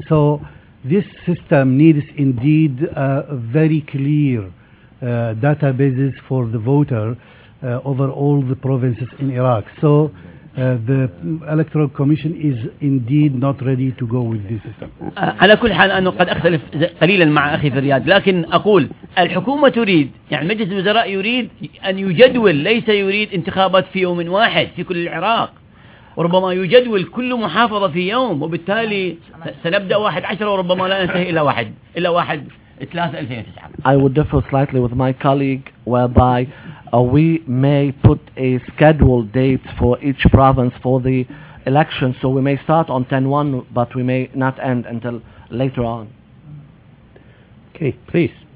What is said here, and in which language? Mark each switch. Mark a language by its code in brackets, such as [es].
[en] So this system needs indeed a very clear databases for the voter over all the provinces in Iraq. So the Electoral Commission is indeed not ready to go with this system. [ar] على كل حال أنا قد أختلف قليلاً مع أخي فرياد، لكن أقول الحكومة تريد، يعني مجلس الوزراء يريد أن يجدول، ليس يريد انتخابات في يوم واحد في كل العراق، وربما يجدول كل محافظة في يوم، وبالتالي سنبدأ 11 وربما لا ننتهي إلى 1 [en] I would differ slightly with my colleague, whereby we may put a scheduled date for each province for the election, so we may start on 10-1, but we may not end until later on. Okay, please.